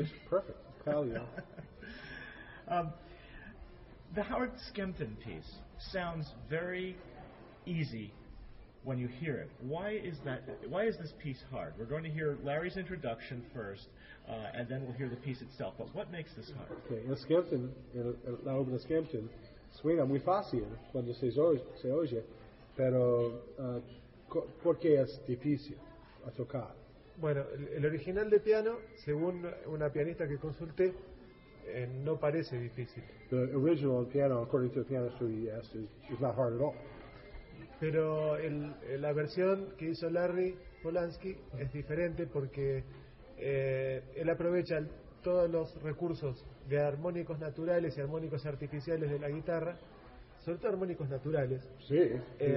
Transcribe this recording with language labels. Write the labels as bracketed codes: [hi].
[en] It's perfect. Claudio. The Howard Skempton piece sounds very easy when you hear it. Why is that? Why is this piece hard? We're going to hear Larry's introduction first, and then we'll hear the piece itself. But what makes this hard? [es] Okay, in Skempton, la obra de Skempton, suena muy fácil cuando se oye, pero ¿por qué es difícil a tocar? Bueno, el original de piano, según una pianista que consulté, no parece difícil. [en] The original piano, according to the pianist who he asked, is not hard at all. [es] Pero la versión que hizo Larry Polanski es diferente porque él aprovecha todos los recursos de armónicos naturales y armónicos artificiales de la guitarra, sobre todo armónicos naturales, sí, sí.